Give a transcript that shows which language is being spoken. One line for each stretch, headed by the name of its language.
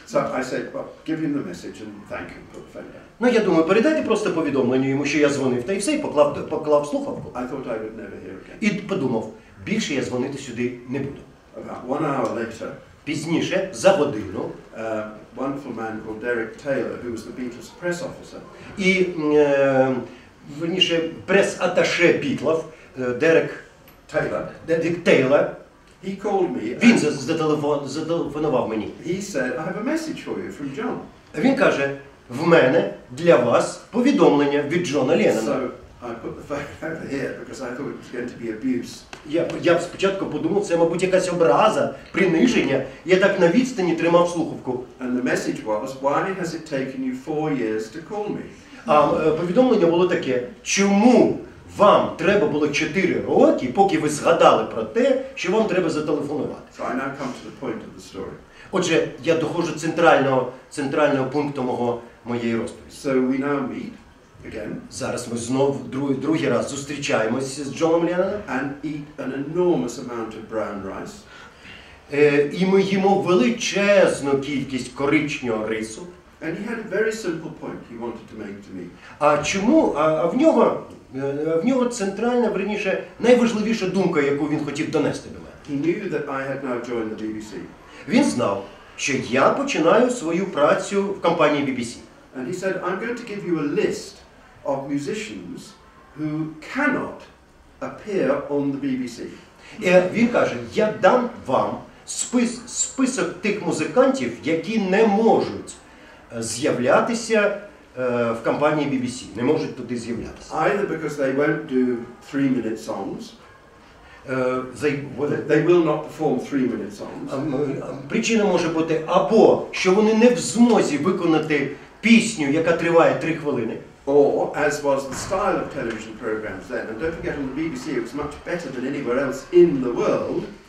English: So I said, well, give him the message and thank him for the phone down.
Ukrainian: Ну, я думаю, передайте просто повідомлення йому, що я дзвонив, та й все, і поклав слухавку.
English: I thought I would never hear again.
Ukrainian: І подумав, більше я дзвонити сюди не буду.
English: About 1 hour later.
Ukrainian: Пізніше, за годину.
English: Wonderful man called Derek Taylor, who was the Beatles press officer.
Ukrainian: І, прес-атташе Бітлов, Дерек Тейлор. Дерек Тейлор.
English: He called me.
Ukrainian: Він зателефонував мені.
English: He said, I have a message for you from John.
Ukrainian: Він каже: "В мене для вас повідомлення від Джона Леннона".
English: So, I put the phone over here because I thought it was going to be abuse.
Ukrainian: Я спочатку подумав, це, мабуть, якась образа, приниження. Я так на відстані тримав слухавку.
English: And the message was, why has it taken you 4 years to call me?
Ukrainian: А повідомлення було таке: чому вам треба було 4 роки, поки ви згадали про те, що вам треба зателефонувати?
English: So I now come to the point of the story.
Ukrainian: Отже, я доходжу центрального пункту моєї розповіді.
English: So we now meet. Again.
Ukrainian: Зараз ми знову другий раз зустрічаємося з Джоном Ленноном.
English: And eat an enormous amount of brown rice.
Ukrainian: І ми їмо величезну кількість коричнього рису.
English: And he had a very simple point he wanted to make to me.
Ukrainian: А чому? А в нього центральна, верніше, найважливіша думка, яку він хотів донести до мене.
English: He knew that I had now joined the BBC.
Ukrainian: Він знав, що я починаю свою працю в компанії BBC.
English: And he said, I'm going to give you a list of musicians who cannot appear on the BBC.
Ukrainian: І він каже, я дам вам список тих музикантів, які не можуть з'являтися в компанії BBC, не можуть туди з'являтися.
English: Either because they won't do 3-minute songs. They will not perform 3-minute songs.
Ukrainian: Причина може бути або що вони не в змозі виконати пісню, яка триває 3 хвилини.
English: Or, as was the style of television programs then, and don't forget, on the BBC it was much better than anywhere else in the world.